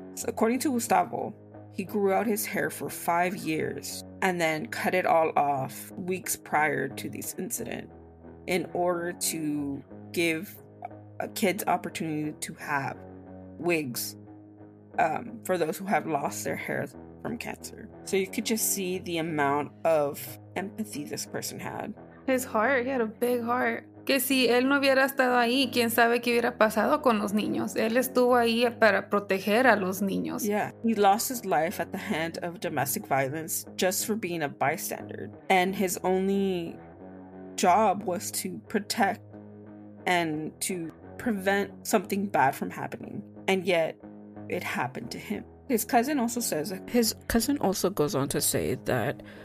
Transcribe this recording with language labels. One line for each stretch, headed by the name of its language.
English: So according to Gustavo, he grew out his hair for 5 years and then cut it all off weeks prior to this incident in order to give a kid's opportunity to have wigs for those who have lost their hair from cancer. So you could just see the amount of empathy this person had. His heart, he had a big heart.
Spanish: Que si él no hubiera estado ahí, quién sabe qué hubiera pasado con los niños. Él estuvo ahí para proteger a los niños.
English: Yeah, he lost his life at the hand of domestic violence just for being a bystander. And his only job was to protect and to prevent something bad from happening. And yet, it happened to him. His cousin also goes on to say that